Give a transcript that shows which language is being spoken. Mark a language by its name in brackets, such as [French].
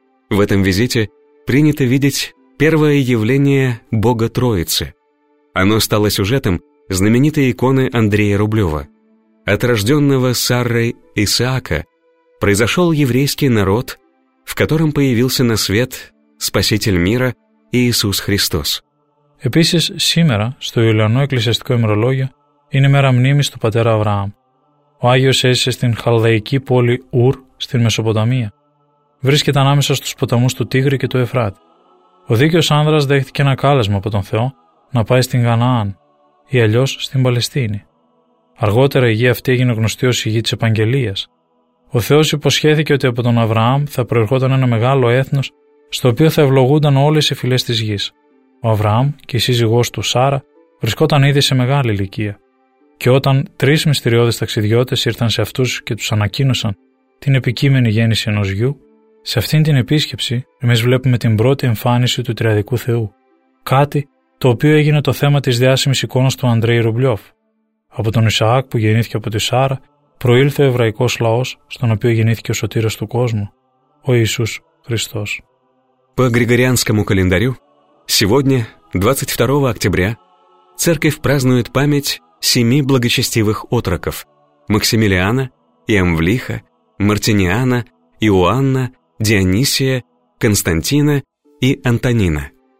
[Russian] В этом визите принято видеть первое явление Бога Троицы. Оно стало сюжетом знаменитой иконы Андрея Рублева. От рожденного Саррой Исаака произошел еврейский народ, в котором появился на свет Спаситель мира Иисус Христос. [Greek] Επίσης, σήμερα, στο Ιουλιανό Εκκλησιαστικό ημερολόγιο, είναι η μέρα μνήμης του πατέρα Αβραάμ. Ο Άγιος έζησε στην χαλδαϊκή πόλη Ουρ, στην Μεσοποταμία. Βρίσκεται ανάμεσα στους ποταμούς του Τίγρη και του Εφράτη. Ο δίκαιος άνδρας δέχτηκε ένα κάλεσμα από τον Θεό να πάει στην Γαναάν ή αλλιώς στην Παλαιστίνη. Αργότερα η γη αυτή έγινε γνωστή ως η γη της Επαγγελίας. Ο Θεός υποσχέθηκε ότι από τον Αβραάμ θα προερχόταν ένα μεγάλο έθνος στο οποίο θα ευλογούνταν όλες οι φυλές της γης. Ο Αβραάμ και η σύζυγός του Σάρα βρισκόταν ήδη σε μεγάλη ηλικία. Και όταν τρεις μυστηριώδεις ταξιδιώτες ήρθαν σε αυτούς και τους ανακοίνωσαν την επικείμενη γέννηση ενός γιου, σε αυτήν την επίσκεψη εμείς βλέπουμε την πρώτη εμφάνιση του Τριαδικού Θεού. Κάτι το οποίο έγινε το θέμα της διάσημης εικόνας του Ανδρέη Ρουμπλιόφ. Από τον Ισαάκ που γεννήθηκε από τη Σάρα προήλθε ο εβραϊκός λαός στον οποίο γεννήθηκε ο σωτήρας του κόσμου, ο Ιησούς Χριστός. [Russian] По Григорианскому календарю, сегодня, 22 октября, церковь празднует память семи благочестивых отроков – Максимилиана, Иамвлиха, Мартиниана, Иоанна, Дионисия, Константина и Антонина.